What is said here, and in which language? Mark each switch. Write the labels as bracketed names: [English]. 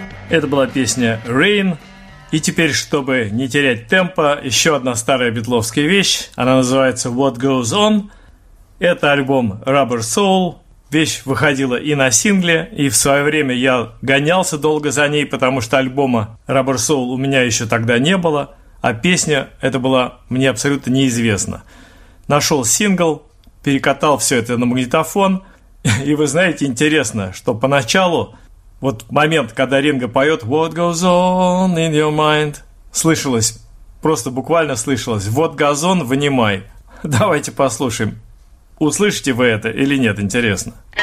[Russian] Это была песня «Rain». И теперь, чтобы не терять темпа, еще одна старая битловская вещь. Она называется «What Goes On». Это альбом «Rubber Soul». Вещь выходила и на сингле, и в свое время я гонялся долго за ней, потому что альбома «Rubber Soul» у меня еще тогда не было, а песня эта была мне абсолютно неизвестна. Нашел сингл, перекатал все это на магнитофон. И вы знаете, интересно, что поначалу Вот момент, когда Ринго поет [English] «What goes on in your mind?» [Russian] слышалось, просто буквально слышалось. «Вот газон, вынимай». Давайте послушаем. Услышите вы это или нет, интересно.